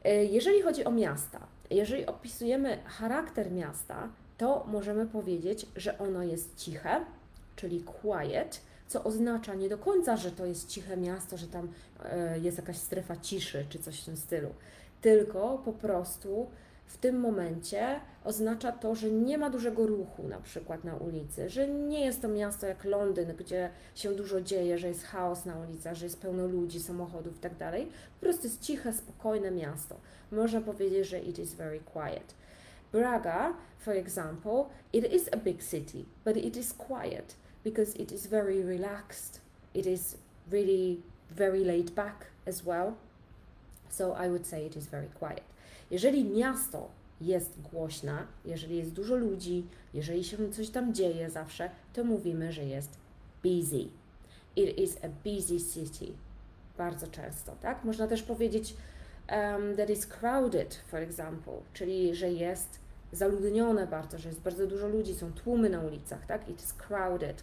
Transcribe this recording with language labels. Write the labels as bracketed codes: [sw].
[pl] Jeżeli chodzi o miasta, jeżeli opisujemy charakter miasta, to możemy powiedzieć, że ono jest ciche, czyli quiet, co oznacza nie do końca, że to jest ciche miasto, że tam jest jakaś strefa ciszy czy coś w tym stylu, tylko po prostu w tym momencie oznacza to, że nie ma dużego ruchu na przykład na ulicy, że nie jest to miasto jak Londyn, gdzie się dużo dzieje, że jest chaos na ulicach, że jest pełno ludzi, samochodów itd. Po prostu jest ciche, spokojne miasto. Można powiedzieć, że [en] it is very quiet. Braga, for example, it is a big city, but it is quiet because it is very relaxed. It is really very laid back as well. So I would say it is very quiet. [pl] Jeżeli miasto jest głośne, jeżeli jest dużo ludzi, jeżeli się coś tam dzieje zawsze, to mówimy, że jest busy. [en] It is a busy city. [pl] Bardzo często, tak? Można też powiedzieć [en] that is crowded, for example, [pl] czyli że jest zaludnione bardzo, że jest bardzo dużo ludzi, są tłumy na ulicach, tak? [en] It is crowded.